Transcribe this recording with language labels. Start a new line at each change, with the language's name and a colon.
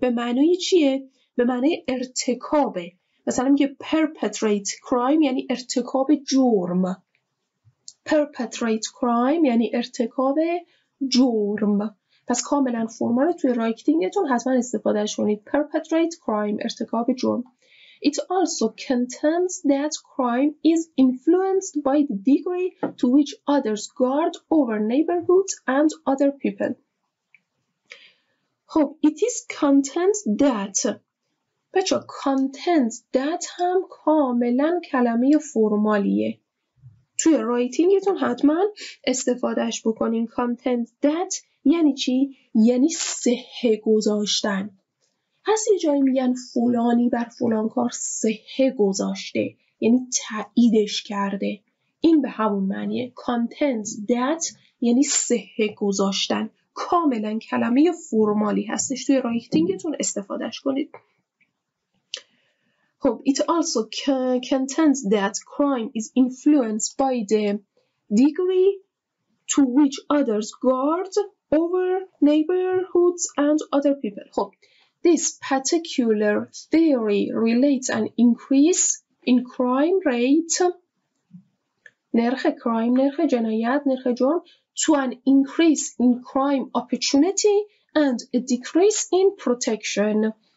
Persian: به معنی چیه؟ به معنی ارتکابه. مثلا میگه perpetrate crime یعنی ارتکاب جرم. perpetrate crime یعنی ارتکاب جرم. پس کاملا فرمال توی رایتینگتون حتما استفادهش کنید. perpetrate crime ارتکاب جرم.
English: It also contends that crime is influenced by the degree to which others guard over neighborhoods and other people.
Persian: خب
English: it is contends that،
Persian: بچه
English: contends that
Persian: هم کاملا کلمه فرمالیه، توی رایتینگتون حتما استفادهش بکنین.
English: contends that
Persian: یعنی چی؟ یعنی صحه گذاشتن. هست یه جایی میگن فلانی بر فلان کار صحه گذاشته، یعنی تاییدش کرده. این به همون معنیه.
English: contends that
Persian: یعنی صحه گذاشتن. کاملا کلمه فرمالی هستش، توی رایتینگتون استفادهش کنید.
English: خب it also contends that crime is influenced by the degree to which others guard over neighborhoods and other people. خب this particular theory relates an increase in crime rate
Persian: نرخ کرایم نرخ جنایت نرخ جرم
English: to an increase in crime opportunity and a decrease in protection.